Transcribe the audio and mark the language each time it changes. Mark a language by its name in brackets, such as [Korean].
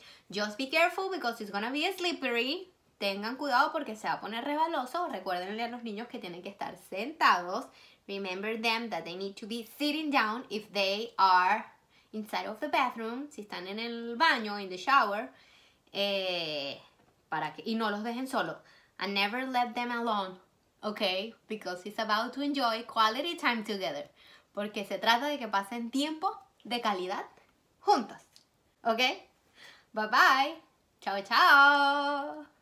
[English] Just be careful because it's gonna be slippery. [Spanish] Tengan cuidado porque se va a poner resbaloso. Recuérdenle a los niños que tienen que estar sentados. [English] Remember them that they need to be sitting down if they are inside of the bathroom. [Spanish] Si están en el baño, [English] in the shower. [Spanish] Para que, y no los dejen solo. [English] And never let them alone, okay? Because it's about to enjoy quality time together. [Spanish] Porque se trata de que pasen tiempo de calidad juntos, okay? [English] Bye bye. [Spanish] Chao, chao.